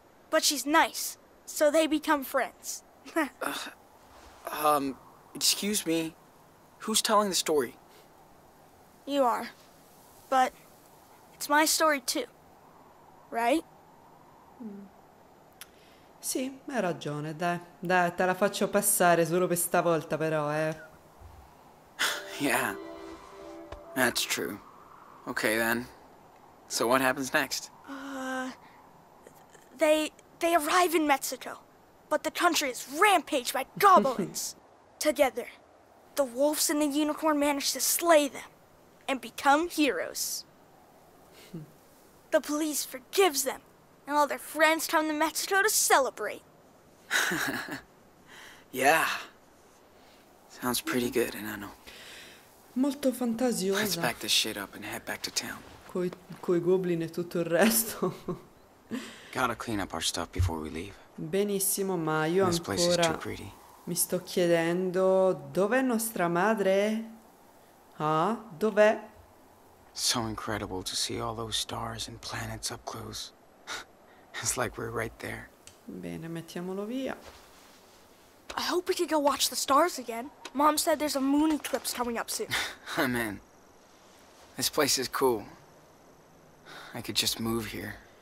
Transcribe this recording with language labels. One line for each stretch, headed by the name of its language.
English: But she's nice, so they become friends. Excuse me, who's telling the story? You are, but it's my story too, right?
Italian: Sì, hai ragione, dai, te la faccio passare solo per stavolta però, eh.
English: Yeah, that's true. Okay, then. So what happens next? They arrive in Mexico, but the country is rampaged by goblins. Together, the wolves and the unicorn manage to slay them and become heroes. The police forgives them, and all their friends come to Mexico to celebrate. Yeah. Sounds pretty good, Enano.
Italian: Molto fantasiosa.
English: Let's pack this shit up and head back to town.
Italian: Coi goblin e tutto il resto.
English: Gotta clean up our stuff before we leave.
Italian: Benissimo, ma io ancora mi sto chiedendo, dov'è nostra madre? Ah, dov'è?
English: So incredible to see all those stars and planets up close. It's like we're right there.
Italian: Bene, mettiamolo via.
English: I hope we can go watch the stars again. Mom said there's a moon eclipse coming up soon. I'm in. This place is cool. I could just move here.